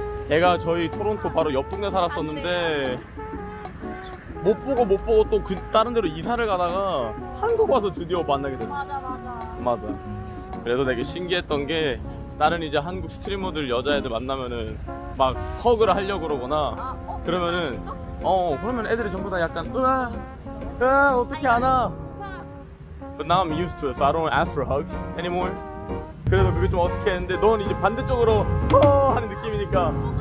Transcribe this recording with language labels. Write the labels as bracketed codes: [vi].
[ko] 얘가 저희 토론토 바로 옆 동네 살았었는데 못 보고 또 그 다른 데로 이사를 가다가 한국 와서 드디어 만나게 됐어. 맞아. 그래서 되게 신기했던 게 다른 이제 한국 스트리머들 여자애들 만나면은 막 허그를 하려고 그러거나 그러면은 그러면 애들이 전부 다 약간 어떻게 하나. [en] But now I'm used to it, so I don't ask for hugs anymore. [ko] 그래도 그게 좀 어떻게 했는데 넌 이제 반대쪽으로 하는 느낌이니까.